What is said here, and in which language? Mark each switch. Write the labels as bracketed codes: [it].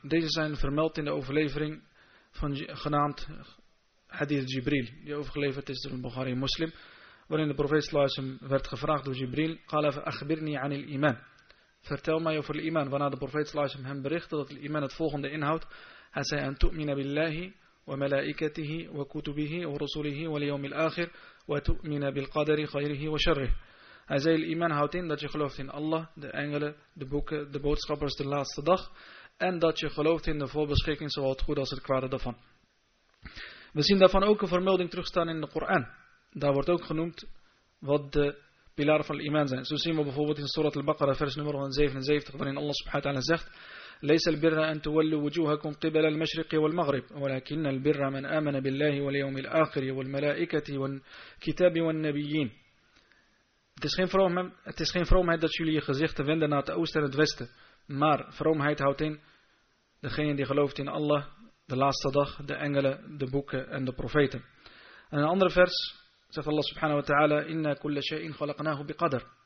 [nl] Deze zijn vermeld in de overlevering van genaamd Hadith Jibril. Die overgeleverd is door een Bukhari moslim. Waarin de profeet sallallahu alaihi wasallam werd gevraagd door Jibril. [ar] Qala fa akhbirni anil iman. [nl] Vertel mij over al-Iman. Waarna de profeet sallallahu alaihi wasallam hem berichtte dat al-Iman het volgende inhoudt. Hij zei [ar] an tu'mina billahi. وملائكته وكتبه ورسله واليوم الآخر وتؤمن بالقدر خيره وشره. [nl] Hij zei, iman houdt in dat je gelooft in Allah, de engelen, de boeken, de boodschappers, de laatste dag. En dat je gelooft in de voorbeschikking, zowel het goede als het kwade daarvan. We zien daarvan ook een vermelding terugstaan in de Koran. Daar wordt ook genoemd wat de pilaren van iman zijn. Zo zien we bijvoorbeeld in Surat al-Baqarah, vers nummer 177, waarin Allah subhanahu wa ta'ala zegt... [ar] ليس البر أن تولوا وجوهكم قبل المشرق والمغرب ولكن البر من آمن بالله واليوم الآخر والملائكة والكتاب والنبيين. [nl] Het is geen vroomheid dat jullie je gezichten wenden naar het oosten en het westen. Maar vroomheid houdt in degene die gelooft in Allah, de laatste dag, de engelen, de boeken en de profeten. En een andere vers zegt Allah subhanahu wa ta'ala [ar] إنا كل شيء خلقناه بقدر.